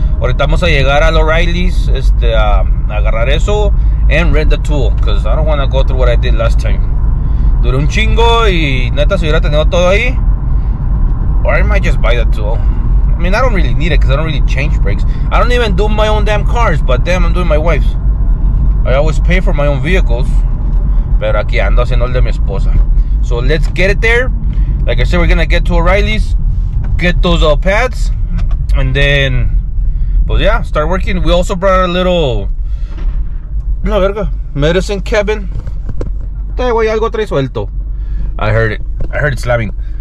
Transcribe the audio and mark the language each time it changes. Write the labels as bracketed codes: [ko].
[es] Ahorita vamos a llegar al O'Reilly's, agarrar eso, [en] and rent the tool, because I don't want to go through what I did last time. [es] Duré un chingo, y neta, si hubiera tenido todo ahí, [en] or I might just buy the tool. I mean, I don't really need it, because I don't really change brakes. I don't even do my own damn cars, but damn, I'm doing my wife's. I always pay for my own vehicles, [es] pero aquí ando haciendo el de mi esposa. [en] So let's get it there. Like I said, we're gonna get to O'Reilly's, get those pads, and then, but yeah, start working. We also brought a little, no, verga, medicine cabin. [es] Te voy algo tres suelto. [en] I heard it slamming.